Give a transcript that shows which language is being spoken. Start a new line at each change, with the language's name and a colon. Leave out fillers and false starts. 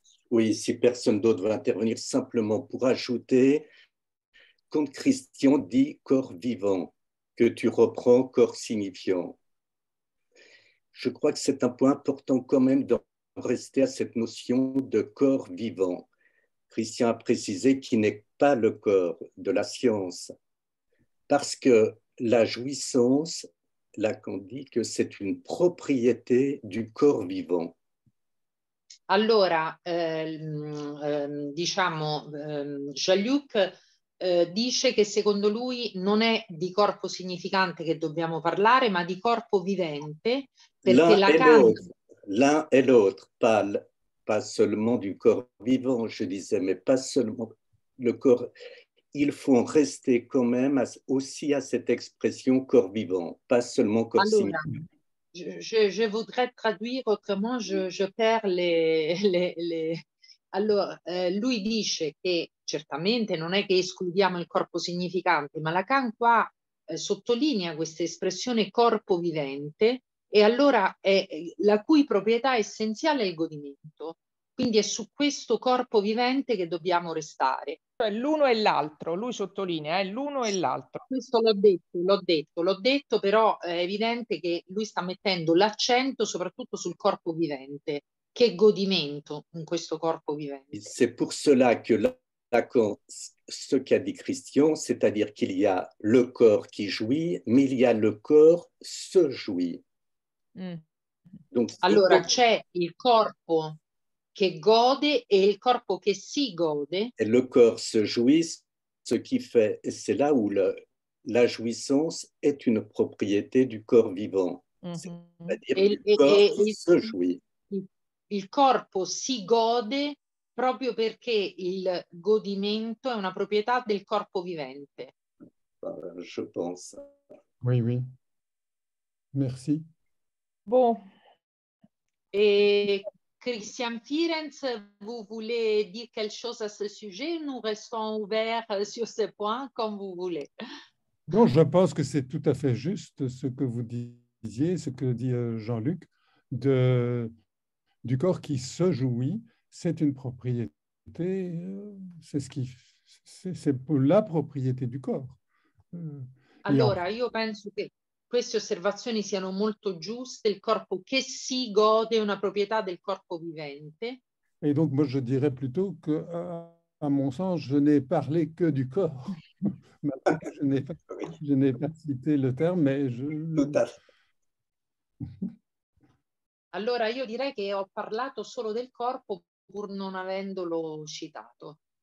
French: Oui, si personne d'autre va intervenir, simplement pour ajouter, quand Christian dit corps vivant, que tu reprends corps signifiant, je crois que c'est un point important quand même d'en rester à cette notion de corps vivant. Christian a précisé qu'il n'est pas le corps de la science, parce que la jouissance, Lacan dit que c'est une propriété du corps vivant.
Italian: Allora, diciamo, Jean-Luc dice che secondo lui non è di corpo significante che dobbiamo parlare, ma di corpo vivente, perché
French: l'un et l'autre, pas seulement du corps vivant, je disais, mais pas seulement le corps. Il faut rester quand même aussi à cette expression corps vivant, pas seulement corps significatif. Allora, je voudrais traduire autrement, je perds les...
Italian: Allora, lui dice che certamente non è che escludiamo il corpo significante, ma Lacan qua sottolinea questa espressione corpo vivente, e allora è la cui proprietà essenziale è il godimento. Quindi è su questo corpo vivente che dobbiamo restare. L'uno e l'altro, lui sottolinea, l'uno e l'altro. Questo l'ho detto, però è evidente che lui sta mettendo l'accento soprattutto sul corpo vivente. Che godimento in questo corpo vivente.
French: C'est pour cela que Lacan, ce qu'a dit Christian, c'est-à-dire qu'il y a le corps qui jouit, ma il y a le corps se jouit.
Italian: Donc, allora c'è il corpo che gode e il corpo che si gode.
French: Et le corps se jouit, ce qui fait, et c'est là où la jouissance est une propriété du corps vivant. C'est-à-dire
Italian: il corpo
French: se jouit.
Italian: Il corpo si gode proprio perché il godimento è una proprietà del corpo vivente.
French: Je pense. Oui, oui. Merci. Bon. Christian Firenz, vous voulez dire quelque chose à ce sujet? Nous restons ouverts sur ce point, comme vous voulez. Bon, je pense que c'est tout à fait juste ce que vous disiez, ce que dit Jean-Luc, du corps qui se jouit. C'est une propriété, c'est la propriété du corps.
Italian: Allora, io penso che queste osservazioni siano molto giuste, il corpo che si gode è una proprietà del corpo vivente.
French: Et donc moi je dirais plutôt que à mon sens, je n'ai parlé que du corps. je n'ai pas cité le terme, mais je
Italian: Allora io direi che ho parlato solo del corpo pur non avendolo citato.